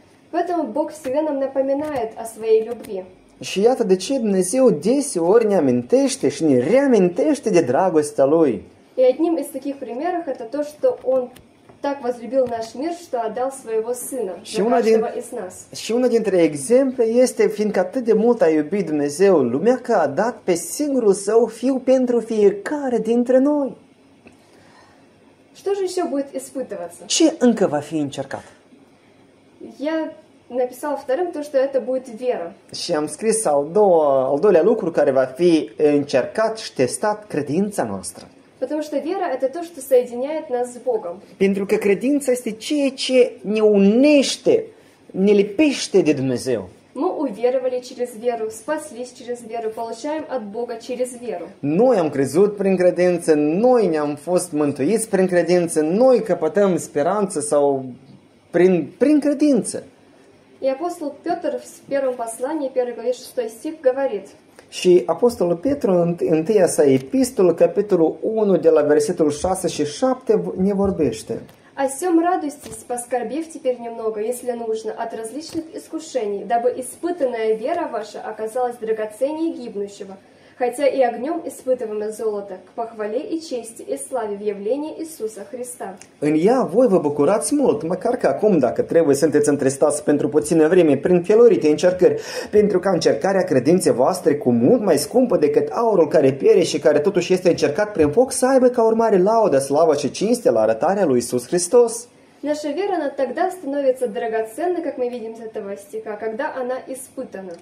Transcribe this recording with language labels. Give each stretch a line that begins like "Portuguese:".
Russian: Поэтому Бог всегда нам напоминает о своей любви.
Romanian: Și iată de ce Dumnezeu deseori ne amintește și ne reamintește de dragostea Lui.
Russian: И одним из таких примеров это то, что Он так возлюбил наш мир, что отдал своего Сына за каждого из нас.
Romanian: Și una dintre exemple este, fiindcă atât de mult a iubit Dumnezeu lumea, că a dat pe singurul Său Fiu pentru fiecare dintre noi.
Russian: Что же еще будет испытываться?
Romanian: Ce încă va fi încercat?
Russian: Я написал вторым то, что это будет вера.
Romanian: Și am scris al doilea lucru care va fi încercat și testat, credința noastră.
Russian: Потому что вера это то, что соединяет нас с Богом.
Romanian: Pentru că credința este ceea ce ne unește, ne lipește de Dumnezeu.
Russian: Мы уверовали через веру, спаслись через веру, получаем от Бога через веру.
Romanian: Noi am crezut prin credință, noi ne-am fost mântuiți prin credință, noi căpătăm speranță sau prin credință.
Russian: И апостол Петр в первом послании, 1 главе 6 стих, говорит.
Romanian: Și апостолul Петру în întâia sa epistolă, capitolul 1, de la versetul 6 și 7, ne vorbește.
Russian: О всем радуйтесь, поскорбев теперь немного, если нужно, от различных искушений, дабы испытанная вера ваша оказалась драгоценнее гибнущего, хотя и огнем испытываемое золото, к похвале и чести и славе в явлении Иисуса Христа.
Romanian: În ea voi vă bucurați mult, măcar că acum, dacă trebuie, sunteți întristați pentru puțină vreme, prin felurite încercări, pentru ca încercarea credinței voastre, cu mult mai scumpă decât aurul care piere și care totuși este încercat prin foc, să aibă ca urmare laudă, slavă și cinste la arătarea lui Iisus Hristos.
Russian: Наша вера, она тогда становится драгоценной, как мы видим из этого стиха, когда она испытана.